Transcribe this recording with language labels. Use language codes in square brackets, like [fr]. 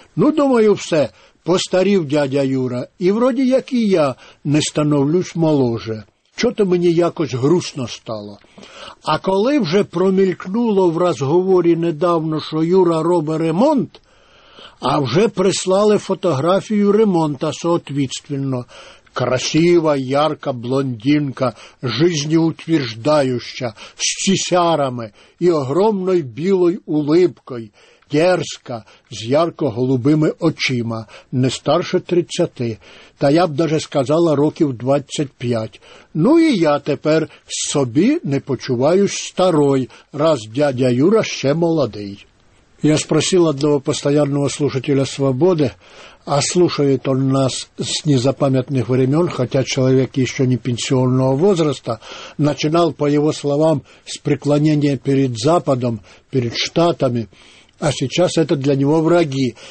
[uk] Ну, думаю, все, постарів дядя Юра, і вроді як і я не становлюсь моложе. Чого-то мені якось грустно стало. А коли вже промількнуло в розговорі недавно, що Юра робить ремонт, а вже прислали фотографію ремонта [ru] соответственно. Красива, ярка блондинка, жизнеутверждающая, с сисярами и огромной белой улыбкой, дерзка, с ярко-голубыми [uk] очима, [ru] не старше 30, [uk] та я б [ru] даже сказала [uk] років [ru] 25. [uk] Ну и я тепер собі не почуваюсь [ru] старой, [uk] раз дядя Юра ще молодий. [ru] Я спросил одного постоянного слушателя «Свободы», а слушает он нас с незапамятных времен, хотя человек еще не пенсионного возраста, начинал, по его словам, с преклонения перед Западом, перед Штатами, а сейчас это для него враги.